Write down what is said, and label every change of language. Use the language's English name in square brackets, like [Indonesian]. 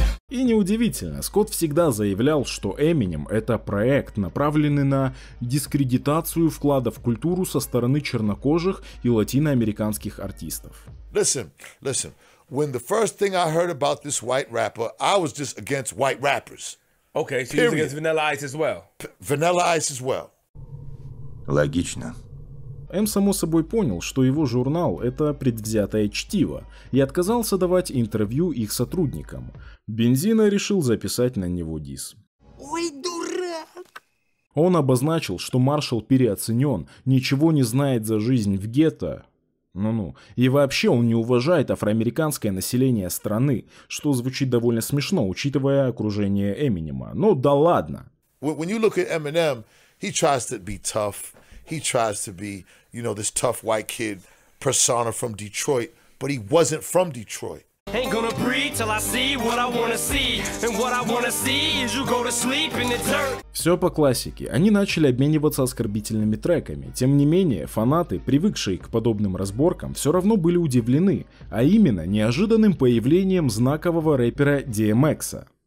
[Russian] И неудивительно, Скотт всегда заявлял, что Eminem — это проект, направленный на дискредитацию вкладов в культуру со стороны чернокожих и латиноамериканских артистов. [English] Listen, when the first thing I heard about this white rapper, I was just against white rappers. Okay, so you're against Vanilla Ice as well. Vanilla Ice as well. [Russian] Логично. М, само собой, понял, что его журнал — это предвзятое чтиво, и отказался давать интервью их сотрудникам. Бензина решил записать на него дисс. Ой, дурак! Он обозначил, что Маршал переоценен, ничего не знает за жизнь в гетто. Ну-ну. И вообще он не уважает афроамериканское население страны, что звучит довольно смешно, учитывая окружение Эминема. Ну да ладно! [English] When you look at Eminem, he tries to be tough. He tries to be, you know, this tough white kid persona from Detroit, but he wasn't from Detroit. Ain't gonna breathe till I see what I wanna see. And what I wanna see is you go to sleep in the dirt. [Russian] Все по классике. Они начали обмениваться оскорбительными треками. Тем не менее, фанаты, привыкшие к подобным разборкам, все равно были удивлены, а именно неожиданным появлением знакового рэпера DMX-а.